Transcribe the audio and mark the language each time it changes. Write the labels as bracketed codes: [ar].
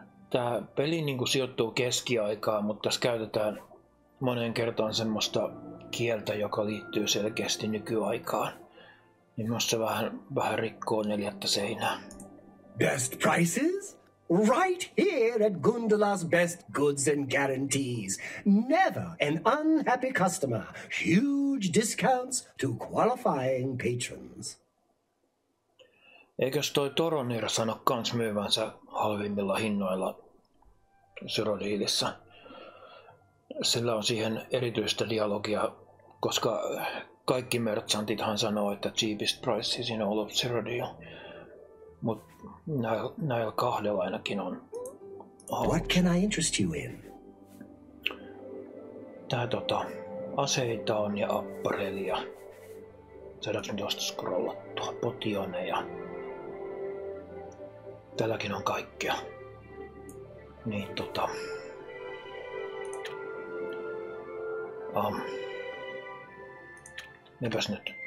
[fi] Tää peli niinku sijoittuu keskiaikaan, mutta tässä käytetään moneen kertaan semmoista kieltä, joka liittyy selkeästi nykyaikaan. Niin myös se vähän rikkoo neljättä seinää. [en] Best prices? Right here at Gundala's Best Goods and Guarantees. Never an unhappy customer. Huge discounts to qualifying patrons. [fi] Eikös toi Toronir sano kans myyvänsä halvimmilla hinnoilla Syrodiilissa? Sillä on siihen erityistä dialogia, koska kaikki merchantithan sanoo, että cheapest prices in all of Cyrodiil. Mut näillä kahdella ainakin on. [en] What can I interest you in? [fi] Tää aseita on ja apparelia. Saadaanko nyt josta scrollattua? Potioneja. Tälläkin on kaikkea. Niin Mepäs nyt.